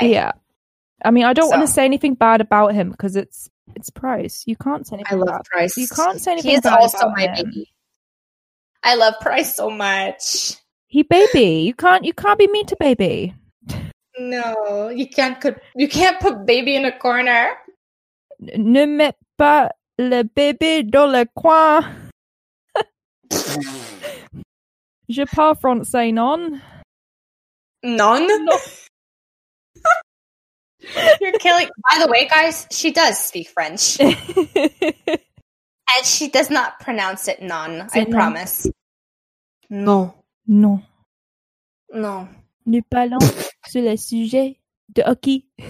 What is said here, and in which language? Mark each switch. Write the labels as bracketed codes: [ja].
[en] Yeah, I mean, I don't want to say anything bad about him because it's Price. You can't say anything. I love about Price. You can't say anything. He's bad also about my him. Baby. I love Price so much. He baby. You can't be mean to baby. No, you can't. You can't put baby in a corner. [fr] Ne mets pas le bébé dans le coin. Je parle français, non? Non? [en] You're killing... By the way, guys, she does speak French. And she does not pronounce it non, I promise. [fr] Non. Non. Non. Nous parlons sur le sujet de hockey.